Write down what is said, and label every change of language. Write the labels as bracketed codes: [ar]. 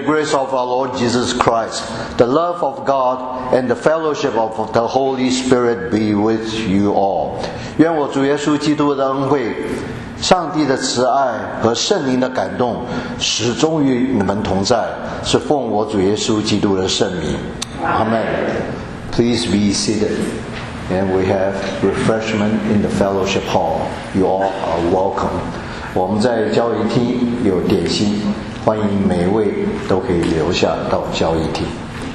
[en] The love of God and the fellowship of the Holy Spirit be with you all. [zh] 愿我主耶稣基督的恩惠，上帝的慈爱和圣灵的感动始终与你们同在，是奉我主耶稣基督的圣名。 [en] Amen. Please be seated. And we have refreshment in the fellowship hall. You all are welcome. [zh] 我们在教育厅有点心，欢迎每一位都可以留下到教育厅。